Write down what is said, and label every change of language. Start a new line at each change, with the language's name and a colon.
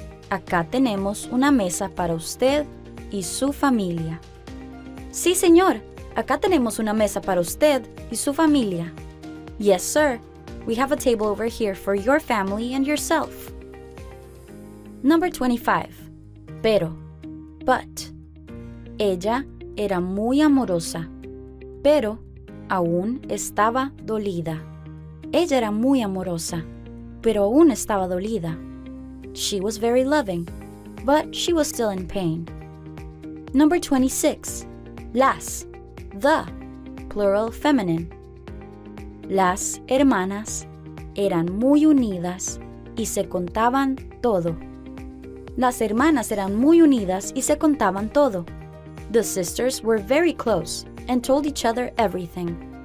Spanish: Acá tenemos una mesa para usted y su familia. Sí, señor. Acá tenemos una mesa para usted y su familia.
English: Yes, sir. We have a table over here for your family and yourself. Number 25. Pero. But.
Spanish: Ella era muy amorosa, pero aún estaba dolida. Ella era muy amorosa, pero aún estaba dolida.
English: She was very loving, but she was still in pain. Number 26. Las. The. Plural feminine.
Spanish: Las hermanas eran muy unidas y se contaban todo. Las hermanas eran muy unidas y se contaban todo.
English: The sisters were very close and told each other everything.